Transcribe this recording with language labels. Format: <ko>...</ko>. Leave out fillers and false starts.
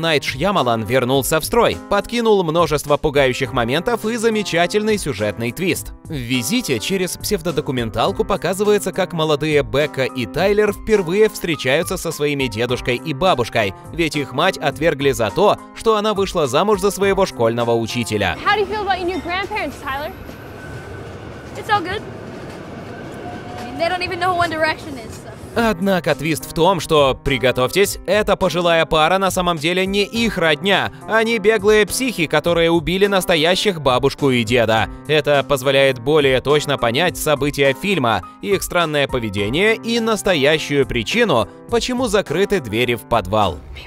<ru>Найт Шьямалан вернулся в строй, подкинул множество пугающих моментов и замечательный сюжетный твист. В «Визите» через псевдодокументалку показывается, как молодые Бекка и Тайлер впервые встречаются со своими дедушкой и бабушкой, ведь их мать отвергли за то, что она вышла замуж за своего школьного учителя.</ru> <en>How do you feel about your grandparents, Tyler? It's all good. They don't even know who One Direction is.</en> <ru>Однако твист в том, что, приготовьтесь, эта пожилая пара на самом деле не их родня, они беглые психи, которые убили настоящих бабушку и деда. Это позволяет более точно понять события фильма, их странное поведение и настоящую причину, почему закрыты двери в подвал.</ru>